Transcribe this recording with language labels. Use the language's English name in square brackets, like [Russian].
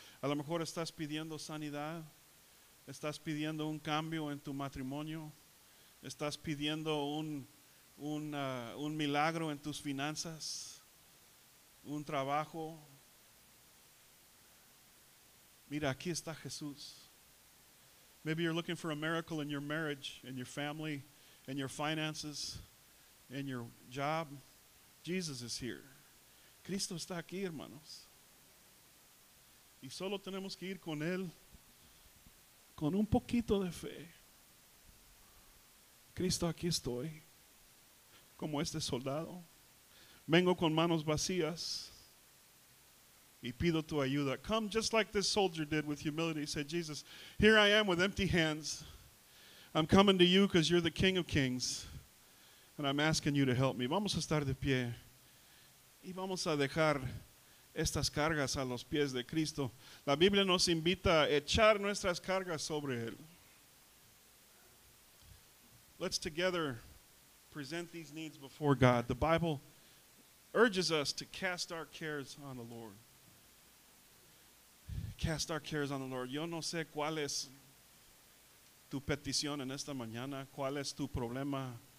[Spanish] A lo mejor estás pidiendo sanidad, estás pidiendo un cambio en tu matrimonio, estás pidiendo un milagro en tus finanzas, un trabajo. Mira, aquí está Jesús. [English] Maybe you're looking for a miracle in your marriage, in your family, in your finances, in your job. Jesus is here. [Spanish] Cristo está aquí, hermanos. Y solo tenemos que ir con él con un poquito de fe. Cristo, aquí estoy, como este soldado. Vengo con manos vacías y pido tu ayuda. [English] Come just like this soldier did with humility. He said, Jesus, here I am with empty hands. I'm coming to you because you're the King of Kings. And I'm asking you to help me. [Spanish] Vamos a estar de pie. Y vamos a dejar estas cargas a los pies de Cristo. La Biblia nos invita a echar nuestras cargas sobre él. [English] Let's together present these needs before God. The Bible urges us to cast our cares on the Lord. Cast our cares on the Lord. [Spanish] Yo no sé cuál es tu petición en esta mañana, cuál es tu problema.